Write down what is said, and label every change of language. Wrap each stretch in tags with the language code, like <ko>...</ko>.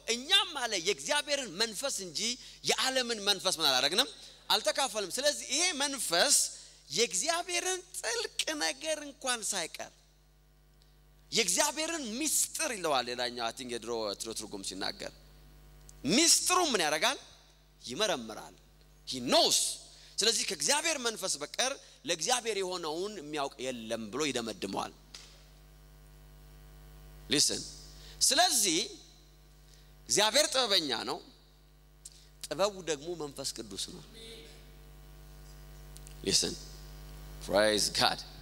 <am>እኛም አለ የእግዚአብሔርን መንፈስ እንጂ የዓለምን መንፈስ ምን አላረግንም አልተካፈልም። ስለዚህ ይሄ መንፈስ የእግዚአብሔርን ጥልቅ ነገር እንኳን ሳይቀር የእግዚአብሔርን ምስጢር ይለዋል። ሌላኛው አቲንግ የድሮ ትርጉም ሲናገር ምስጢሩ ምን ያረጋል? ይመረምራል።</am> <en>He knows.</en> <am>ስለዚህ ከእግዚአብሔር መንፈስ በቀር ለእግዚአብሔር የሆነውን የሚያውቅ የለም ብሎ ይደመድመዋል።</am> <en>Listen.</en> <am>ስለዚህ እግዚአብሔር ጥበበኛ ነው። ጥበቡ ደግሞ መንፈስ ቅዱስ ነው።</am> <en>Listen. Praise God.</en>